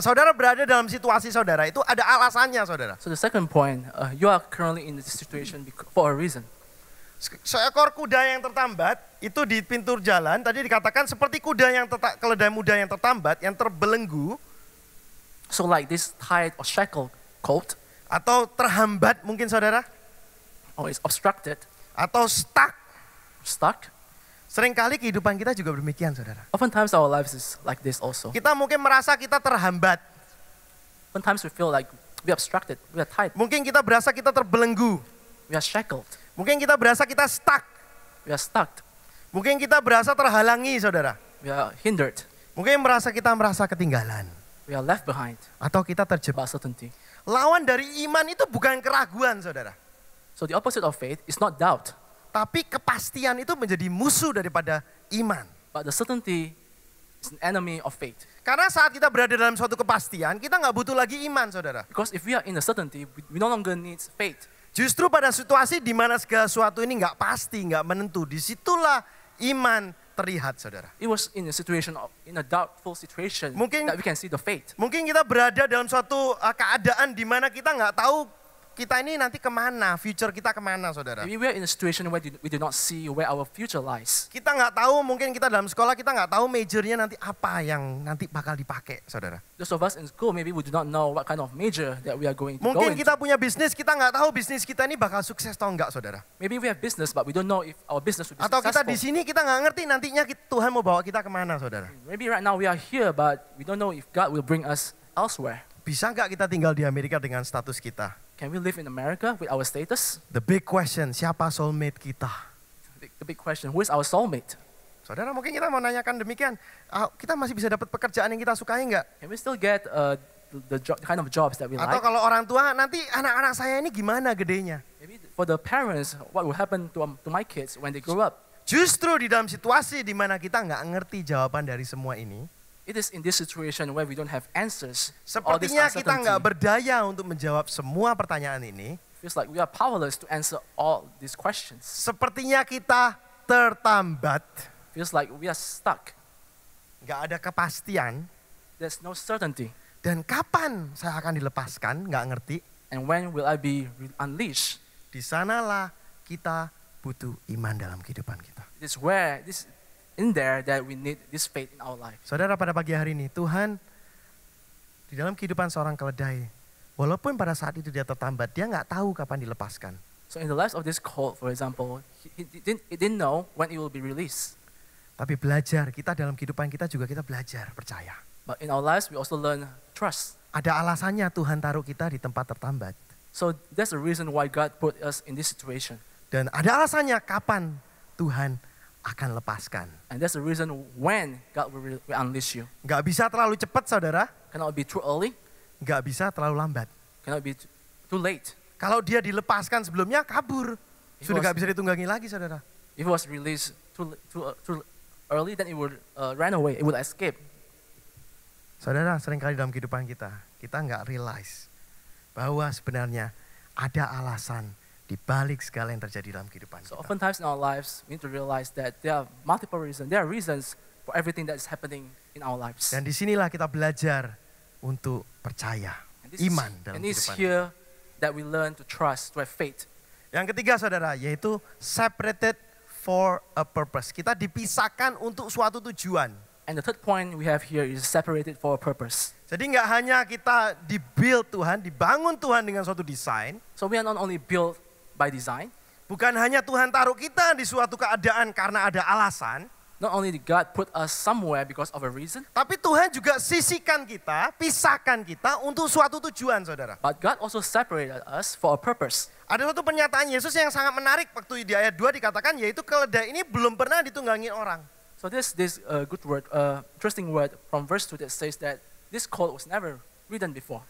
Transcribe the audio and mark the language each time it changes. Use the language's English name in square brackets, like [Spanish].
[Indonesian] Saudara berada dalam situasi saudara itu ada alasannya, saudara. [English] So the second point, you are currently in the situation for a reason. [Indonesian] Seekor kuda yang tertambat itu di pintu jalan tadi dikatakan seperti kuda yang keledai muda yang tertambat yang terbelenggu. [English] So like this tied or shackled colt. [Indonesian] Atau terhambat mungkin, saudara. [English] Oh, it's obstructed. [Indonesian] Atau stuck. Seringkali kehidupan kita juga demikian, saudara. [English] Oftentimes our lives is like this also. [Indonesian] Kita mungkin merasa kita terhambat. [English] Sometimes we feel like we are obstructed, we are tied. [Indonesian] Mungkin kita berasa kita terbelenggu. [English] We are shackled. [Indonesian] Mungkin kita berasa kita stuck. [English] We are stuck. [Indonesian] Mungkin kita berasa terhalangi, saudara. [English] We are hindered. [Indonesian] Mungkin merasa kita merasa ketinggalan. [English] We are left behind. [Indonesian] Atau kita terjebak. [English] Certainty. [Indonesian] Lawan dari iman itu bukan keraguan, saudara. [English] So the opposite of faith is not doubt. [Indonesian] Tapi kepastian itu menjadi musuh daripada iman. [English] But the certainty is an enemy of faith. [Indonesian] Karena saat kita berada dalam suatu kepastian, kita enggak butuh lagi iman, saudara. [English] Because if we are in a certainty, we no longer need faith. [Indonesian] Justru pada situasi di mana segala sesuatu ini enggak pasti, enggak menentu, disitulah iman terlihat, saudara. [English] It was in a situation of, in a doubtful situation [Indonesian] mungkin, [English] that we can see the faith. [Indonesian] Mungkin kita berada dalam suatu keadaan di mana kita enggak tahu kita ini nanti kemana, future kita kemana, saudara. [English] We are in a situation where we do not see where our future lies. [Indonesian] Kita enggak tahu, mungkin kita dalam sekolah, kita enggak tahu majornya nanti apa yang nanti bakal dipakai, saudara. [English] Those of us in school, maybe we do not know what kind of major that we are going to. [Indonesian] Mungkin kita punya bisnis, kita enggak tahu bisnis kita ini bakal sukses atau enggak, saudara. [English] Maybe we have business, but we don't know if our business will be [Indonesian] atau [English] successful. [Indonesian] Atau kita di sini, kita enggak ngerti nantinya Tuhan mau bawa kita kemana, saudara. [English] Maybe right now we are here, but we don't know if God will bring us elsewhere. [Indonesian] Bisa enggak kita tinggal di Amerika dengan status kita? [English] Can we live in America with our status? The big question, [Indonesian] siapa [English] soulmate kita? The big question, who is our soulmate? [Indonesian] Saudara, mungkin kita mau nanyakan demikian. Kita masih bisa dapat pekerjaan yang kita sukai enggak? [English] Can we still get the kind of jobs that we [Indonesian] atau [English] like? [Indonesian] Atau kalau orang tua, nanti anak-anak saya ini gimana gedenya? [English] Maybe for the parents, what will happen to my kids when they grow up? [Indonesian] Justru di dalam situasi di mana kita enggak ngerti jawaban dari semua ini, [English] it is in this situation where we don't have answers. [Indonesian] Sepertinya kita enggak berdaya untuk menjawab semua pertanyaan ini. [English] Feels like we are powerless to answer all these questions. [Indonesian] Sepertinya kita tertambat. [English] Feels like we are stuck. [Indonesian] Enggak ada kepastian. [English] There's no certainty. [Indonesian] Dan kapan saya akan dilepaskan? Enggak ngerti. [English] And when will I be unleashed? [Indonesian] Di sanalah kita butuh iman dalam kehidupan kita. [English] It is where this in there that we need this faith in our life. [Indonesian] Saudara, pada pagi hari ini Tuhan di dalam kehidupan seorang keledai, walaupun pada saat itu dia tertambat, dia enggak tahu kapan dilepaskan. [English] So in the life of this colt, for example, he didn't know when it will be released. [Indonesian] Tapi belajar, kita dalam kehidupan kita juga kita belajar percaya. [English] But in our lives we also learn trust. [Indonesian] Ada alasannya Tuhan taruh kita di tempat tertambat. [English] So that's the reason why God put us in this situation. [Indonesian] Dan ada alasannya kapan Tuhan akan lepaskan. [English] And that's the reason when God will unleash you. [Indonesian] Enggak bisa terlalu cepat, Saudara. [English] Cannot be too early. [Indonesian] Enggak bisa terlalu lambat. [English] Cannot be too late. [Indonesian] Kalau dia dilepaskan sebelumnya, kabur. [English] If [Indonesian] sudah enggak bisa ditunggangi lagi, Saudara. [English] If it was released too early, then it would run away, it would escape. [Indonesian] Saudara, seringkali dalam kehidupan kita, kita enggak realize bahwa sebenarnya ada alasan di balik segala yang terjadi dalam kehidupan kita. [English] So oftentimes in our lives we need to realize that there are multiple reasons. There are reasons for everything that is happening in our lives. [Indonesian] Dan disinilah kita belajar untuk percaya, iman dalam kehidupan. [English] And it's here that we learn to trust, to have faith. [Indonesian] Yang ketiga, Saudara, yaitu [English] separated for a purpose. [Indonesian] Kita dipisahkan untuk suatu tujuan. [English] And the third point we have here is separated for a purpose. [Indonesian] Jadi enggak hanya kita dibuild Tuhan, dibangun Tuhan dengan suatu desain. [English] So we are not only built by design. [Indonesian] Bukan hanya Tuhan taruh kita di suatu keadaan karena ada alasan. [English] Not only did God put us somewhere because of a reason. [Indonesian] Tapi Tuhan juga sisihkan kita, pisahkan kita untuk suatu tujuan, Saudara. [English] But God also separated us for a purpose. [Indonesian] Ada satu pernyataan Yesus yang sangat menarik waktu di ayat 2 dikatakan, yaitu keledai ini belum pernah ditunggangi orang. [English] So this interesting word from verse 2 that says that this colt was never ridden before.